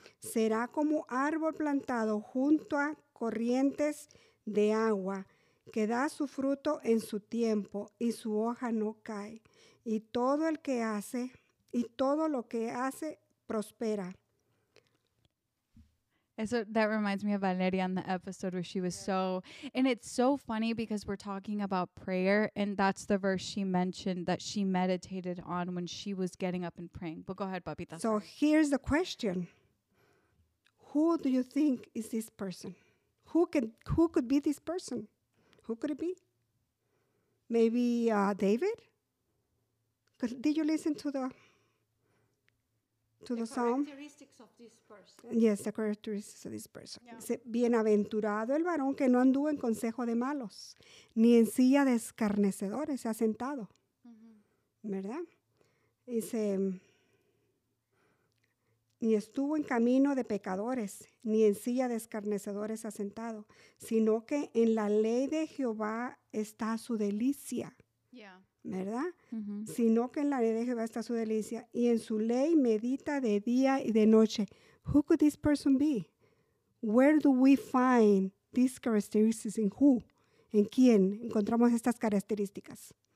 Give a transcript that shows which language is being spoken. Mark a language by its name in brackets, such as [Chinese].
[Spanish] Será como árbol plantado junto a corrientes de agua, que da su fruto en su tiempo, y su hoja no cae. Y todo el que hace, y todo lo que hace, prospera. [English] So that reminds me of Valeria on the episode where she was so, and it's so funny because we're talking about prayer, and that's the verse she mentioned that she meditated on when she was getting up and praying. But go ahead, Papita. So here's the question. Who do you think is this person? Who could be this person? Who could it be? Maybe David? Did you listen to the psalm? Characteristics of this person. Yes, the characteristics of this person. Yeah. [Spanish] Bienaventurado el varón que no anduvo en consejo de malos, ni en silla de escarnecedores se ha sentado. Mm-hmm. ¿Verdad? Dice, ni estuvo en camino de pecadores, ni en silla de escarnecedores se ha sentado, sino que en la ley de Jehová está su delicia. [English] Yeah. [Spanish] ¿Verdad? Mm-hmm. Sino que en la ley de Jehová está su delicia, y en su ley medita de día y de noche. [English] Who could this person be? Where do we find these characteristics in who? [Spanish] ¿En quién encontramos estas características?